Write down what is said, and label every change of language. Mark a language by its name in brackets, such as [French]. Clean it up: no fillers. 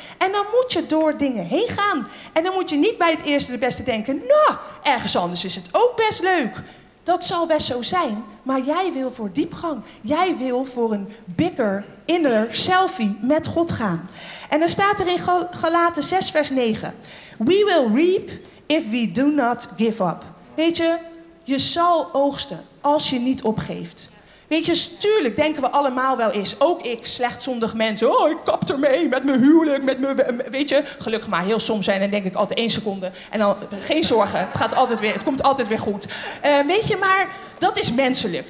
[Dutch] En dan moet je door dingen heen gaan. En dan moet je niet bij het eerste de beste denken, nou, ergens anders is het ook best leuk. Dat zal best zo zijn, maar jij wil voor diepgang. Jij wil voor een bigger, inner selfie met God gaan. En dan staat er in Galaten 6 vers 9. [English] We will reap if we do not give up. [Dutch] Weet je, je zal oogsten als je niet opgeeft. Weet je, tuurlijk denken we allemaal wel eens, ook ik, slecht zondig mens. Oh, ik kap ermee met mijn huwelijk, met mijn, weet je. Gelukkig maar heel soms zijn en denk ik altijd 1 seconde. En dan, geen zorgen, het gaat altijd weer, het komt altijd weer goed. Weet je, maar dat is menselijk.